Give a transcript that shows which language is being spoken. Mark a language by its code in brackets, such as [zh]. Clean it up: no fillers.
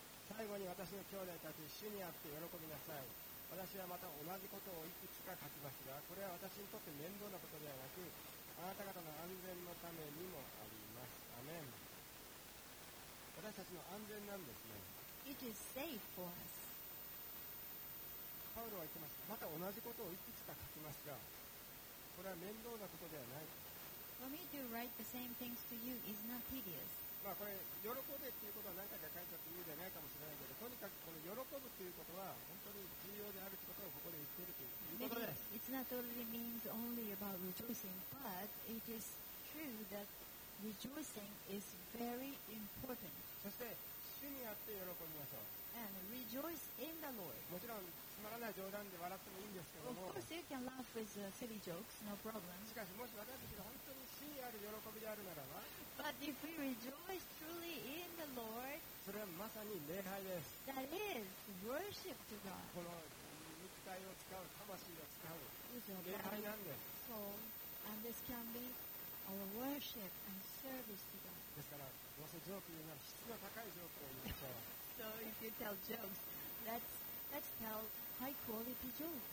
[ja] 最後に私の兄弟たち、主にあって喜びなさい。私はまた同じことをいくつか書きますが、これは私にとって面倒なことではなく、あなた方の安全のためにもあります。アメン。私たちの安全なんですね。 [en] It is safe for us. [ja] パウロは言ってます。また同じことをいくつか書きますが、これは面倒なことではない。 [en] For me to write the same things to you is not tedious. [ja] まあ、これ喜べということは何かが書いてあって言うではないかもしれないけど、とにかくこの喜ぶということは本当に重要であるということをここで言っているということです。 [en] It's not only means only about rejoicing, but it is true that rejoicing is very important. [ja] そして主にあって喜びましょう。 [en] And rejoice in the Lord. [ja] もちろんつまらない冗談で笑ってもいいんですけども、 [en] Of course you can laugh with silly jokes, no problem. [ja] しかしもし私たちが本当に主にある喜びであるならば、 [en] But if we rejoice truly in the Lord. [ja] それはまさに礼拝です。 [en] That is worship to God. [ja] この肉体を使う、魂を使う礼拝なんです。 [en] So, and this can be our worship and service to God. [ja] ですから、どうせジョークになる質の高いジョークを言うと。 [en] So if you tell jokes, let's tell high quality jokes.